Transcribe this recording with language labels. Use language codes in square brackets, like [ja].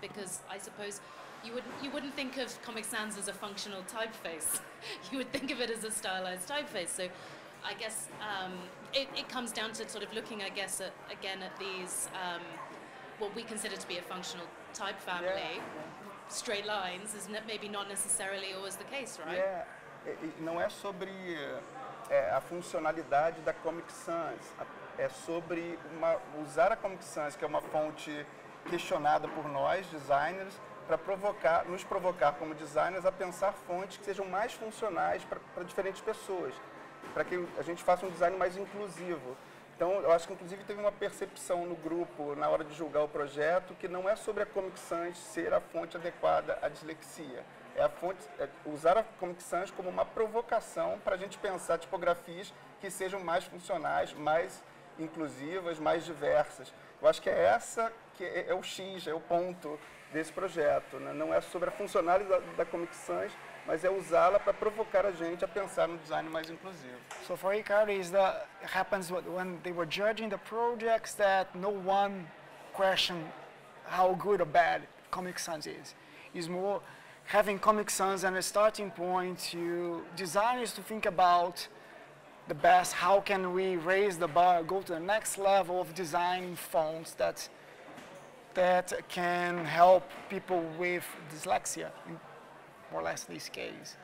[en] Because I suppose you wouldn't think of Comic Sans as a functional typeface. You would think of it as a stylized typeface. So I guess it comes down to sort of looking, I guess, at these what we consider to be a functional type family, straight lines is maybe not necessarily always the case, right? Yeah. [pt] Não é sobre a funcionalidade da Comic Sans. É sobre usar a Comic Sans, que é uma fonte questionada por nós, designers, para nos provocar como designers a pensar fontes que sejam mais funcionais para diferentes pessoas, para que a gente faça um design mais inclusivo. Então, eu acho que, inclusive, teve uma percepção no grupo, na hora de julgar o projeto, que não é sobre a Comic Sans ser a fonte adequada à dislexia. É usar a Comic Sans como uma provocação para a gente pensar tipografias que sejam mais funcionais, mais inclusivas, mais diversas. Eu acho que é essa que é o X, é o ponto desse projeto, né? Não é sobre a funcionalidade da Comic Sans, mas é usá-la para provocar a gente a pensar no design mais inclusivo. [en] So for Ricardo, is that happens when they were judging the projects that no one questioned how good or bad Comic Sans is. It's more having Comic Sans as a starting point to designers to think about the best, how can we raise the bar, go to the next level of designing fonts that can help people with dyslexia, in more or less this case.